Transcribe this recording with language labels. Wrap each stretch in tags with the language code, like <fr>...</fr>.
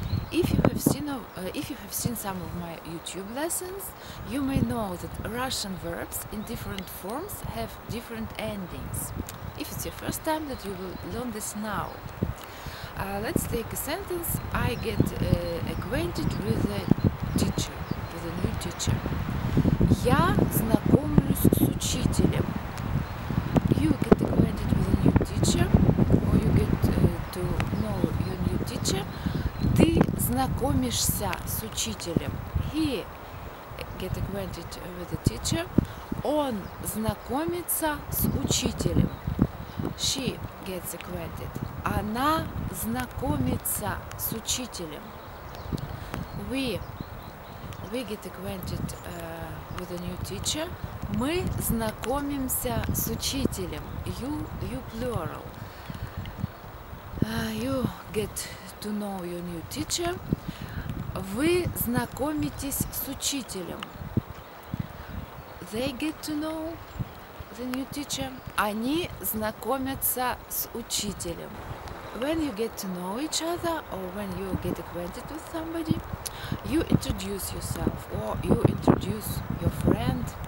<en>If you have seen some of my YouTube lessons, you may know that Russian verbs in different forms have different endings. If it's your first time, that you will learn this now. Let's take a sentence. I get acquainted with a teacher, with a new teacher.</en> <ru>Я знакомлюсь с учителем.</ru> <en>You get acquainted with a new teacher, or you get to know your new teacher.</en> <ru>Ты знакомишься с учителем.</ru> <en>He get acquainted with the teacher.</en> <ru>Он знакомится с учителем.</ru> <en>She gets acquainted.</en> <ru>Она знакомится с учителем.</ru> <en>We get acquainted with a new teacher.</en> <ru>Мы знакомимся с учителем.</ru> <en>You plural. You get to know your new teacher.</en> <ru>Вы знакомитесь с учителем.</ru> <en>They get to know the new teacher.</en> <ru>Они знакомятся с учителем.</ru> <en>When you get to know each other or when you get acquainted with somebody, you introduce yourself or you introduce your friend.</en>